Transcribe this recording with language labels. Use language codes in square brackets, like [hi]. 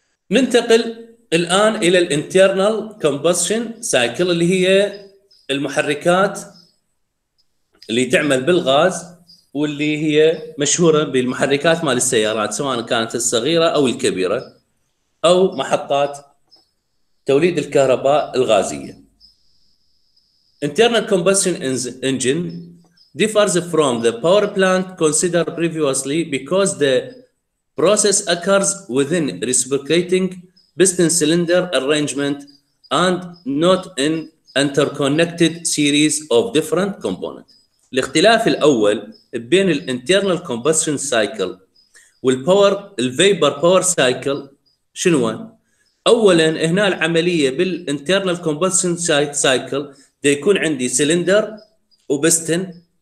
[ar] ننتقل الآن إلى الـ internal combustion cycle اللي هي المحركات اللي تعمل بالغاز واللي هي مشهورة بالمحركات مال السيارات سواء كانت الصغيرة أو الكبيرة أو محطات توليد الكهرباء الغازية. [en] internal combustion engine differs from the power plant considered previously because the process occurs within reciprocating piston cylinder arrangement and not in interconnected series of different components. [ar] الاختلاف الأول بين الـ internal combustion cycle والـ power, الـ vapor power cycle شنو؟ أولاً هنا العملية بالـ internal combustion cycle دي يكون عندي سلندر وبستن،